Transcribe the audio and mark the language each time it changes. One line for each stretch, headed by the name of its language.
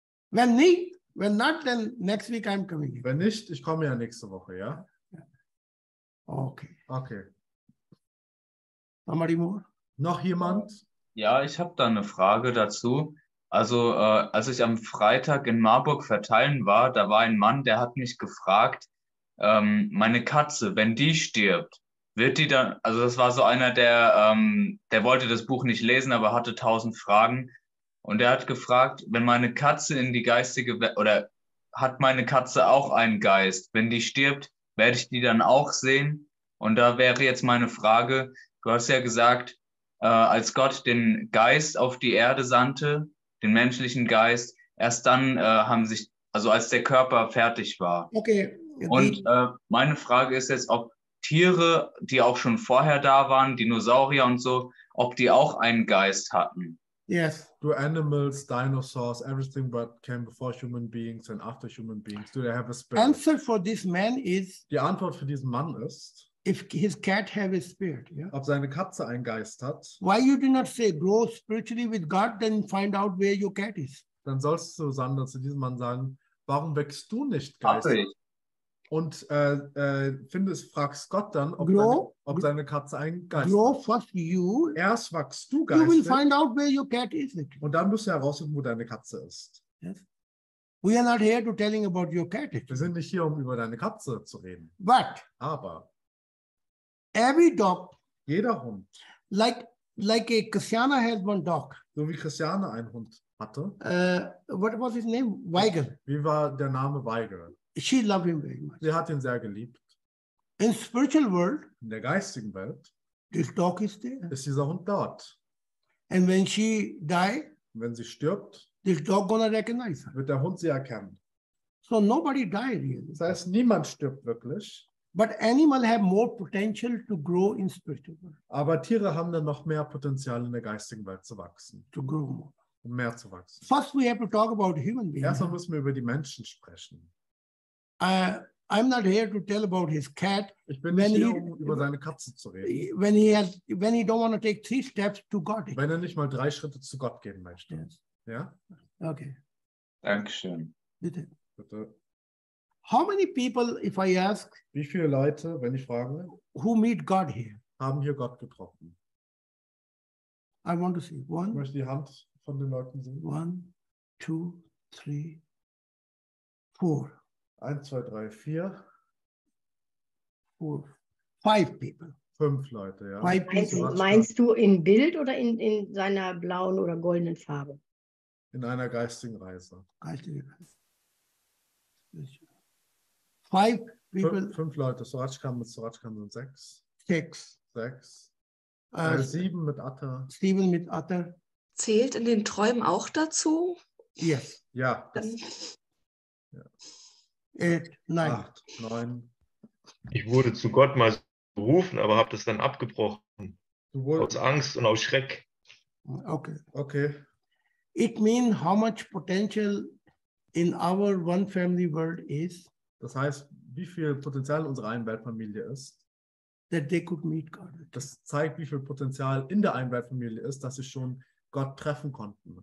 German: Wenn nicht,
English: when not, then next week I'm coming.
German: Wenn nicht, ich komme ja nächste Woche, ja?
English: Okay.
German: Okay.
English: Somebody more?
German: Noch jemand? Ja, ich habe da eine Frage dazu. Also als ich am Freitag in Marburg verteilen war, da war ein Mann, der hat mich gefragt, meine Katze, wenn die stirbt, wird die dann, also das war so einer, der, der wollte das Buch nicht lesen, aber hatte 1000 Fragen. Und der hat gefragt, wenn meine Katze in die geistige Welt, oder hat meine Katze auch einen Geist? Wenn die stirbt, werde ich die dann auch sehen? Und da wäre jetzt meine Frage, du hast ja gesagt, als Gott den Geist auf die Erde sandte, den menschlichen Geist, erst dann haben sich, also als der Körper fertig war. Okay. Und meine Frage ist jetzt, ob Tiere, die auch schon vorher da waren, Dinosaurier und so, ob die auch einen Geist hatten.
English: Yes. Do animals, dinosaurs, everything but came before human beings and after human beings, do they have a spirit? Answer for this man is,
German: die Antwort für diesen Mann ist,
English: if his cat have a spirit, yeah?
German: Ob seine Katze einen Geist hat.
English: Why you do not say grow spiritually with God, then find out where your cat is?
German: Dann sollst du, Sander, zu diesem Mann sagen, warum wächst du nicht geistig? Und findest, fragst Gott dann, ob seine Katze einen Geist
English: grow first you,
German: erst wächst du geistig.
English: You will find out where your cat is.
German: Und dann musst du herausfinden, wo deine Katze ist.
English: Yes. We are not here to telling about your cat.
German: Wir sind nicht hier, um über deine Katze zu reden.
English: But,
German: aber
English: every dog,
German: jeder Hund,
English: like a Christiana has one dog.
German: So wie Christiana einen Hund hatte.
English: What was his name? Weigel.
German: Wie war der Name Weigel?
English: She loved him very much.
German: Sie hat ihn sehr geliebt.
English: In spiritual world,
German: in der geistigen Welt,
English: this dog is there.
German: Ist dieser Hund dort.
English: And when she die,
German: wenn sie stirbt,
English: this dog gonna recognize her.
German: Wird der Hund sie erkennen.
English: So nobody died really.
German: Das heißt, niemand stirbt wirklich.
English: But animals have more potential to grow in spiritual world.
German: Aber Tiere haben dann noch mehr Potenzial in der geistigen Welt zu wachsen.
English: To grow more.
German: Um mehr zu wachsen.
English: First we have to talk about human beings.
German: Erstmal müssen wir über die Menschen sprechen.
English: I'm not here to tell about his cat.
German: Ich bin nicht hier, um über seine Katze zu reden.
English: When he don't want to take 3 steps to God.
German: Wenn er nicht mal 3 Schritte zu Gott gehen möchte.
English: Yes.
German: Ja?
English: Okay.
German: Dankeschön. Bitte. Bitte.
English: How many people, if I ask,
German: wie viele Leute, wenn ich frage,
English: who meet God here?
German: Haben hier Gott getroffen?
English: I want to see. One.
German: Ich möchte die Hand von den Leuten sehen.
English: 1, 2, 3, 4.
German: 1, 2, 3, 4.
English: 5 people.
German: 5 Leute, ja.
English: 5 people.
German: Meinst du in Bild oder in seiner blauen oder goldenen Farbe? In einer geistigen Reise. Geistige Reise.
English: 5 people.
German: 5 Leute. Sorachkan mit Sorachkan sind 6. 6. 6. 7 mit Atta. 7 mit Atta. Zählt in den Träumen auch dazu?
English: Yes.
German: Ja. 8, 9. Ich wurde zu Gott mal berufen, aber habe das dann abgebrochen. Aus Angst und aus Schreck.
English: Okay. It means how much potential in our one family world is.
German: Das heißt, wie viel Potenzial in unserer Einweltfamilie ist.
English: That they could meet God.
German: Das zeigt, wie viel Potenzial in der Einweltfamilie ist, dass sie schon Gott treffen konnten.